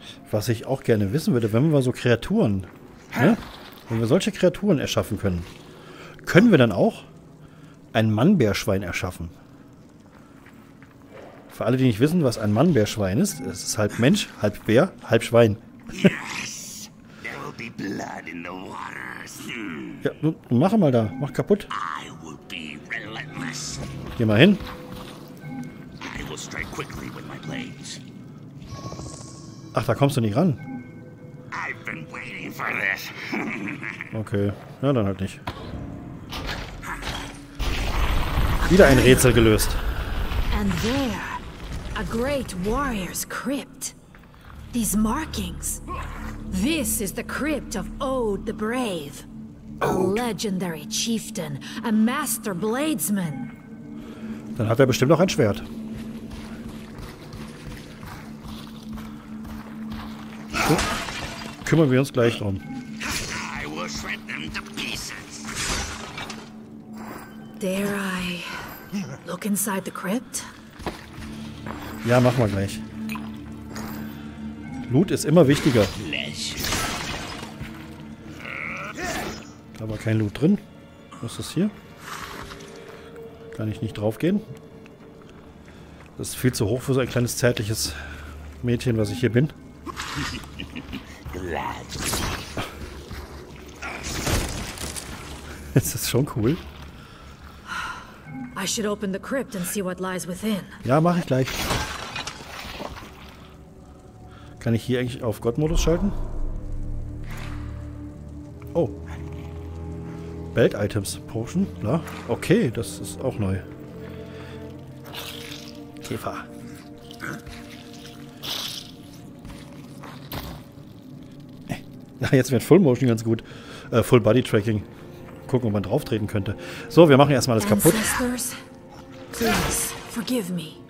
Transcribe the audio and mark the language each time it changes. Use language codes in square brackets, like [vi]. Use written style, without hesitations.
[de] Was ich auch gerne wissen würde, wenn wir so Kreaturen, ne? Wenn wir solche Kreaturen erschaffen können, können wir dann auch ein Mannbärschwein erschaffen. Für alle, die nicht wissen, was ein Mannbärschwein ist, es ist halb Mensch, halb Bär, halb Schwein. [en] Yes, there will be blood in the water soon. [de] Ja, du mach mal da, mach kaputt. [en] I will be relentless. [de] Geh mal hin. [en] I will strike quickly with my blades. [de] Ach, da kommst du nicht ran. [en] I've been waiting for this. [de] Okay, ja, dann halt nicht. Wieder ein Rätsel gelöst. [en] And there, a great warrior's crypt. These markings. This is the crypt of Oed the Brave. A legendary chieftain, a master bladesman. [de] Dann hat er bestimmt noch ein Schwert. So, kümmern wir uns gleich drum. [en] I will shred them to pieces. Dare I look inside the crypt? [de] Ja, mach mal gleich. Loot ist immer wichtiger. Da war kein Loot drin. Was ist hier? Kann ich nicht drauf gehen. Das ist viel zu hoch für so ein kleines zärtliches Mädchen, was ich hier bin. Das ist schon cool. [en] I should open the crypt and see what lies within. [de] Ja, mache ich gleich. Kann ich hier eigentlich auf Gottmodus schalten? [en] Oh. Belt Items Potion, na? [de] Okay, das ist auch neu. Käfer. Ja, jetzt wird Full Motion ganz gut. Full Body Tracking. Gucken, ob man drauf treten könnte. So, wir machen erstmal alles kaputt. [en] Ancestors, please forgive me.